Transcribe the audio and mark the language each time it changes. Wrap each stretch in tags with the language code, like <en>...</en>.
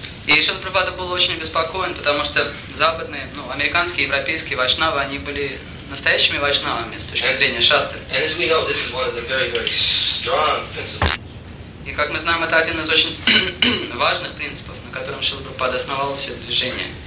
<ru>И Шрила Прабхупада был очень обеспокоен, потому что западные, ну, американские, европейские вайшнавы, они были настоящими вайшнавами с точки зрения Шастры.</ru> <en>And as we know, this is one of the very, very strong principles.</en> <ru>И как мы знаем, это один из очень важных принципов, на котором Шрила Прабхупада основал все движение.</ru>